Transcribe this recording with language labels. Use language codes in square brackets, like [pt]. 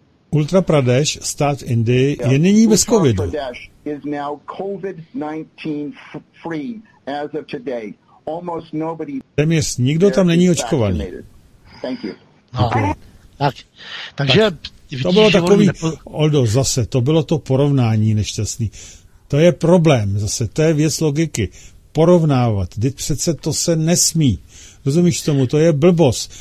[cs] Ultra Pradesh, stát Indie, je nyní bez covidu. [en] Is now COVID-19 free as of today. Almost nobody. [cs] Téměř nikdo tam není očkovaný. [en] Thank you. [cs] Takže to bylo takový, Oldo, zase, to bylo to porovnání nešťastný. To je problém, zase, to je věc logiky. Porovnávat, teď přece to se nesmí. Rozumíš tomu? To je blbost.